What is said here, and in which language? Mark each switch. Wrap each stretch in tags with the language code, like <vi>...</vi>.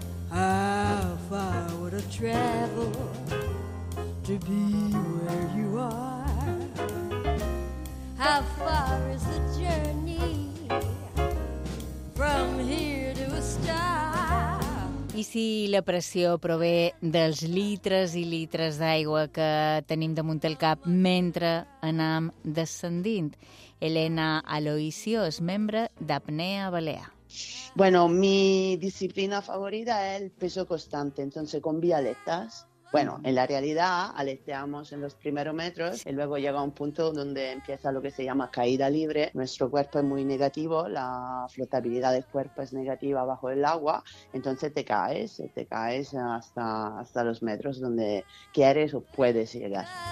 <en>How far would I travel to be where you are? How far is the journey from here to a star?</en> <ca>I si la pressió prové dels litres i litres d'aigua que tenim damunt el cap mentre anam descendint? Elena Aloisio és membre d'Apnea Balea.</ca> <es>Bueno, mi disciplina favorita es el peso constante, entonces con bialetas. Bueno, en la realidad aleteamos en los primeros metros y luego llega un punto donde empieza lo que se llama caída libre. Nuestro cuerpo es muy negativo, la flotabilidad del cuerpo es negativa bajo el agua, entonces te caes hasta los metros donde quieres o puedes llegar.</es>